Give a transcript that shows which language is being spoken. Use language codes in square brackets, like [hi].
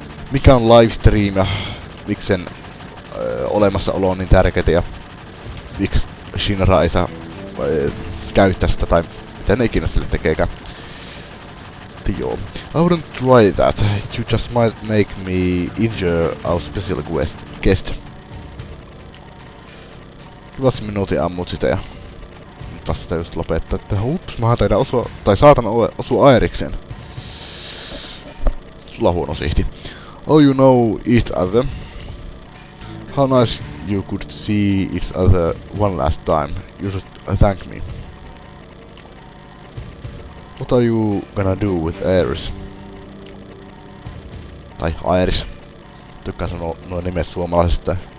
[fi] mikä on livestream ja miksi sen olemassaolo on niin tärkeää ja miksi Shinra ei saa käyttää sitä tai mitä ne ikinä sille tekeekään. [en] Joo. I wouldn't try that. You just might make me injure our special guest. [fi] Kivasti minuutin ammut sitä ja nyt taas sitä just lopettaa, että hups, mä taidan osua, tai saatan osua Aerikseen. Sulla on huono sihti. [en] Oh, you know each other. How nice you could see each other one last time. You should thank me. What are you gonna do with Iris? [fi] Tai Iris. Tykkään sanoa nuo nimet suomalaisista.